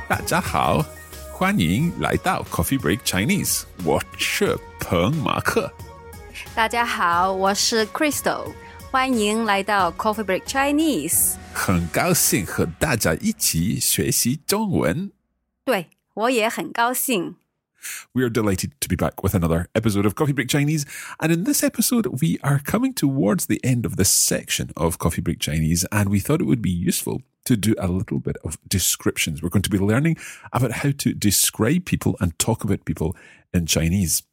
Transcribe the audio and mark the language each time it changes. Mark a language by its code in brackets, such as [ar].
[zh] Hello, 欢迎来到 Coffee Break Chinese. 我是彭马克。大家好，我是 Crystal. 欢迎来到 Coffee Break Chinese. 很高兴和大家一起学习中文。对，我也很高兴。 [en] We are delighted to be back with another episode of Coffee Break Chinese. And in this episode, we are coming towards the end of this section of Coffee Break Chinese. And we thought it would be useful to do a little bit of descriptions. We're going to be learning about how to describe people and talk about people in Chinese.